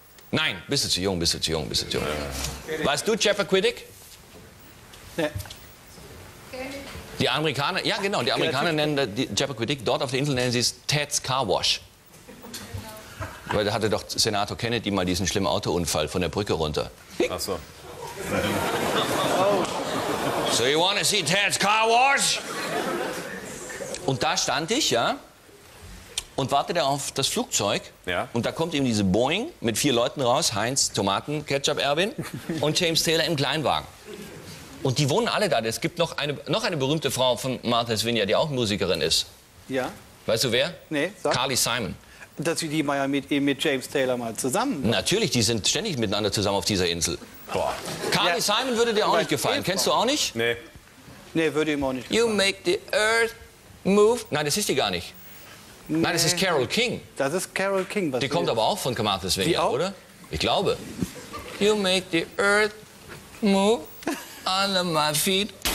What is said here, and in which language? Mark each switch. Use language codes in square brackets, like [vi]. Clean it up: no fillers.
[de] Nein, bist du zu jung, bist du zu jung, bist du zu jung. Weißt du Chappaquiddick? Nee. Die Amerikaner, ja genau, die Amerikaner nennen Chappaquiddick, dort auf der Insel nennen sie es Ted's Car Wash. Weil da hatte doch Senator Kennedy mal diesen schlimmen Autounfall von der Brücke runter. Ach so. [en] So you wanna see Ted's Car Wash? [de] Und da stand ich, ja, und wartete auf das Flugzeug. Ja. Und da kommt eben diese Boeing mit vier Leuten raus. Heinz, Tomaten, Ketchup, Erwin und James Taylor im Kleinwagen. Und die wohnen alle da. Es gibt noch eine berühmte Frau von Martha's Vineyard, die auch Musikerin ist. Ja. Weißt du wer? Nee, sag. Carly Simon. Dass sie die mal mit James Taylor mal zusammen. Ne? Natürlich, die sind ständig miteinander zusammen auf dieser Insel. Boah. Carly Simon würde dir auch nicht gefallen. Ehefrau. Kennst du auch nicht? Nee. Nee, würde ihm auch nicht gefallen. [en] You make the earth move. [de] Nein, das ist die gar nicht. Nee. Nein, das ist Carole King. Das ist Carole King. Was die kommt aber auch von Martha's Vineyard, oder? Ich glaube. [en] You make the earth move under my feet.